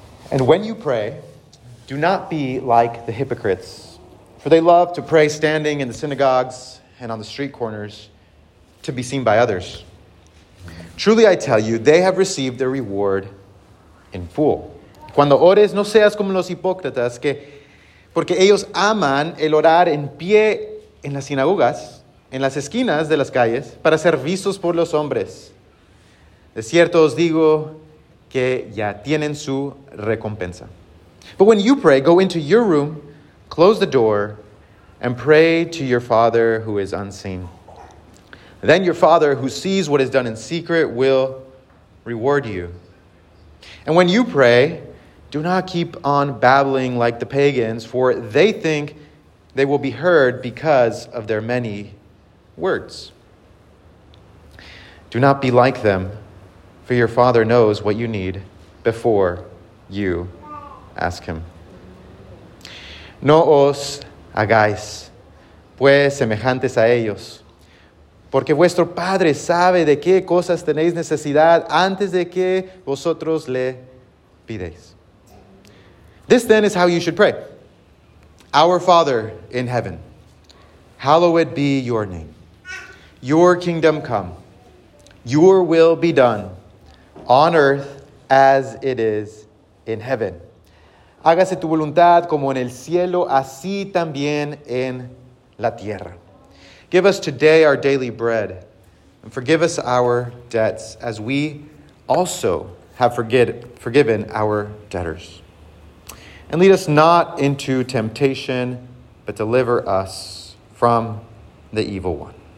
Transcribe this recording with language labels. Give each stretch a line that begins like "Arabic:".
English: And when you pray, do not be like the hypocrites, for they love to pray standing in the synagogues and on the street corners to be seen by others. Truly I tell you, they have received their reward in full.
Spanish: Cuando ores, no seas como los hipócritas, porque ellos aman el orar en pie en las sinagogas, en las esquinas de las calles, para ser vistos por los hombres. De cierto os digo que ya tienen su recompensa.
English: But when you pray, go into your room, close the door, and pray to your Father who is unseen. Then your Father who sees what is done in secret will reward you. And when you pray, do not keep on babbling like the pagans, for they think they will be heard because of their many words. Do not be like them, for your Father knows what you need before you ask him.
Spanish: No os hagáis pues semejantes a ellos, porque vuestro Padre sabe de qué cosas tenéis necesidad antes de que vosotros le pidáis.
English: This then is how you should pray. Our Father in heaven, hallowed be your name. Your kingdom come. Your will be done on earth as it is in heaven.
Spanish: Hágase tu voluntad como en el cielo, así también en la tierra.
English: Give us today our daily bread, and forgive us our debts, as we also have forgiven our debtors. And lead us not into temptation, but deliver us from the evil one.